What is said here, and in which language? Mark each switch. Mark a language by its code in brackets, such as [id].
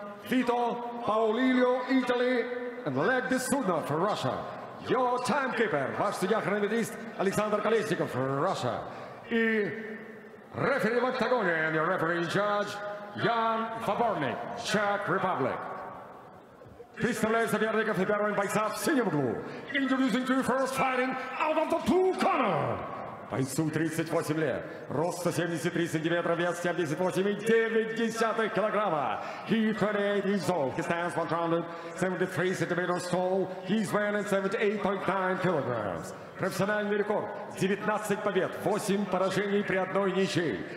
[en] Vito Paolillo, Italy. And Leg de Sudna for Russia. Your timekeeper, [ru] ваш судья-хронометрист Александр Колесников, Russia. И referee в октагоне, [en] and your referee in charge, Jan Faborny, Czech Republic. [ru] Представляю соперников и первого бойца в синем углу. [en] Introducing to you first fighting out of the blue corner. [ru] Бойцу 38 лет, рост 173 сантиметра, вес 78,9 килограмма. [en] He 38 years old, he stands 173 centimeters tall, he's weighing 78.9 kilograms. [ru] Профессиональный рекорд 19 побед, 8 поражений при одной ничьей.